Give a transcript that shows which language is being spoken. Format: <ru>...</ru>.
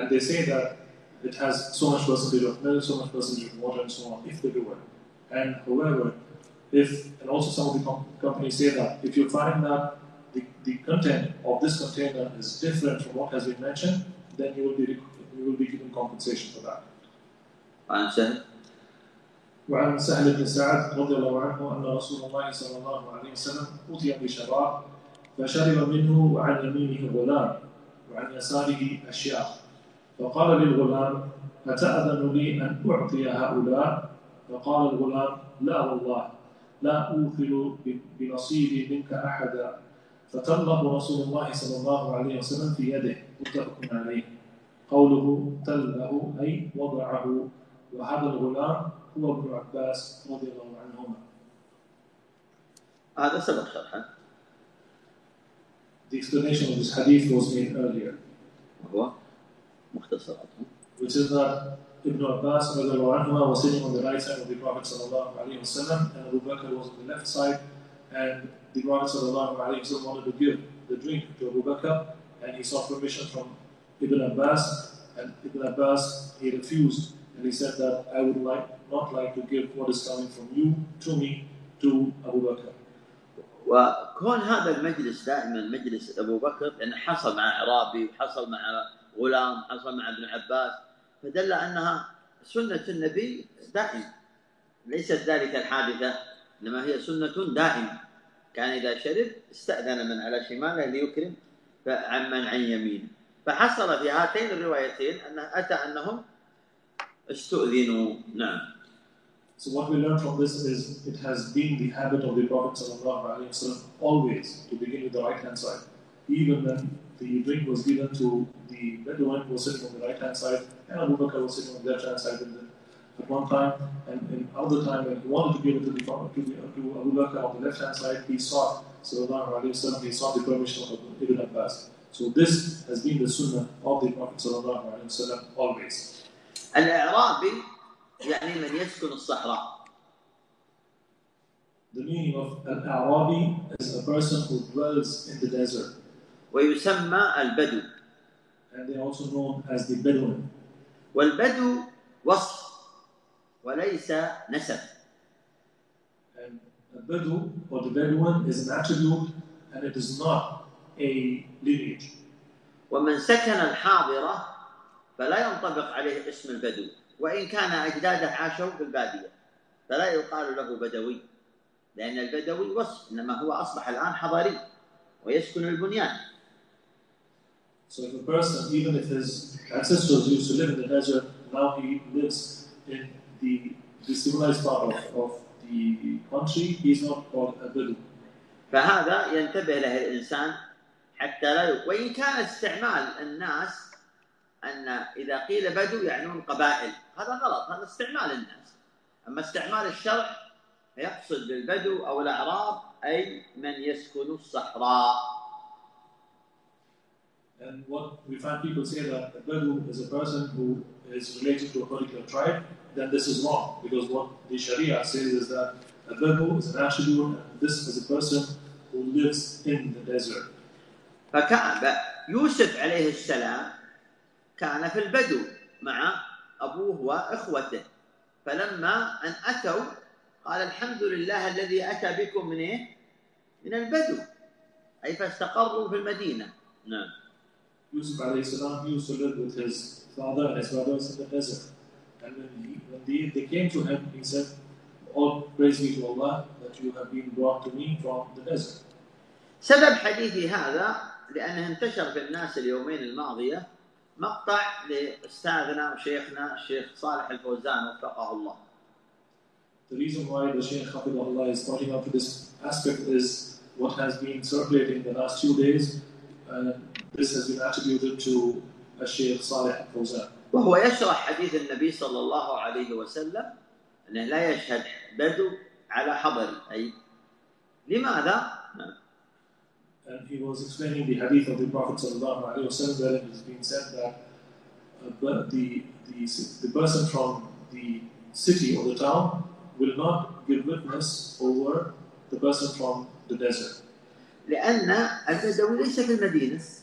<en>And they say that it has so much percentage of milk, so much percentage of water and so on, if they do it. And however, some of the companies say that if you find that the content of this container is different from what has been mentioned, then you will be given compensation for that. Answer.</en> <ar>وعن سهل بن سعد رضي الله عنه أن رسول الله صلى الله عليه وسلم أُتي بشراب فشرب منه وعن يمينه غلام وعن يساره أشياء فقال للغلام أتأذن لي أن أعطي هؤلاء؟ فقال الغلام لا والله لا أوكل بنصيبي منك أحدا. فتلقى رسول الله صلى الله عليه وسلم في يده متفق عليه. قوله تلقه أي وضعه. وهذا الغلام هو ابن عباس رضي الله عنهما. هذا سبق شرحه.</ar> <en>The explanation of this hadith was made earlier.</en> <ar>هو مختصر.</ar> <en>Which is that Ibn Abbas</en> <ar>رضي الله عنهما</ar> <en>was sitting on the right side of the Prophet</en> <ar>صلى الله عليه وسلم</ar> <en>and Abu Bakr was on the left side and the Prophet صلى الله عليه وسلم wanted to give the drink to Abu Bakr and he sought permission from Ibn Abbas and Ibn Abbas he refused and he said that I would like not like to give what is coming from you to me to Abu Bakr.</en> <ar>وكون هذا المجلس دائما مجلس أبو بكر لأن حصل مع إعرابي وحصل مع غلام حصل مع ابن عباس فدل أنها سنة النبي دائم ليست ذلك الحادثة إنما هي سنة دائمة كان إذا شرب استأذن من على شماله ليكرم فعمن عن يمين فحصل في هاتين الروايتين أنه أتى أنهم استؤذنوا. نعم.</ar> <en>So what we learn from this is it has been the habit of the Prophet ﷺ always to begin with the right hand side. Even when the drink was given to the Bedouin who was sitting on the right hand side and Abu Bakr was sitting on the left hand side at one time and in other time when he wanted to give it to the Prophet to Abu Bakr on the left hand side he sought ﷺ, he sought the permission of Ibn Abbas. So this has been the sunnah of the Prophet ﷺ always.</en> <ar>الإعرابي يعني من يسكن الصحراء.</ar> <en>The meaning of al-A'rabi is a person who dwells in the desert.</en> <ar>ويسمى البدو.</ar> <en>And they are also known as the Bedouin.</en> <ar>والبدو وصف وليس نسب.</ar> <en>And a Bedou or the Bedouin is an attribute and it is not a lineage.</en> <ar>ومن سكن الحاضرة فلا ينطبق عليه اسم البدو. وإن كان أجداده عاشوا في البادية فلا يقال له بدوي لأن البدوي وصف إنما هو أصبح الآن حضاري ويسكن البنيان.</ar> <en>So if a person, even if his ancestors used to live in the desert, now he lives in the civilized part of the country, he's not called a Bedou.</en> <ar>فهذا ينتبه له الإنسان حتى لا وإن كان استعمال الناس أن إذا قيل بدو يعنون قبائل هذا غلط هذا استعمال الناس أما استعمال الشرع يقصد بالبدو أو الأعراب أي من يسكن الصحراء.</ar> <en>And what we find people say that a Bedou is a person who is related to a particular tribe, then this is wrong because what the Sharia says is that a Bedou is an attribute and this is a person who lives in the desert.</en> <ar>فكعب يوسف عليه السلام كان في البدو مع أبوه وإخوته فلما أن أتوا قال الحمد لله الذي أتى بكم من إيه؟ من البدو أي فاستقروا في المدينة. نعم.</ar> <en>يوسف</en> <ar>عليه السلام</ar> <en>he used to live with his father and his brothers in the desert and when they came to him he said all praise be to Allah that you have been brought to me from the desert.</en> <ar>سبب حديثي هذا لأنه انتشر في الناس اليومين الماضية مقطع لأستاذنا وشيخنا الشيخ صالح الفوزان وفقه الله.</ar> <en>The reason why the Shaykh Hafidhullah is talking about this aspect is what has been circulating the last few days. This has been attributed to a Shaykh Salih al-Fawzan.</en> <ar>وهو يشرح حديث النبي صلى الله عليه وسلم أنه لا يشهد بدو على حضر أي لماذا؟</ar> <en>And he was explaining the hadith of the Prophet sallallahu alaihi wasallam where it has been said that the person from the city or the town will not give witness over the person from the desert.</en> <ar>لأن البدوي ليس في المدينة.</ar>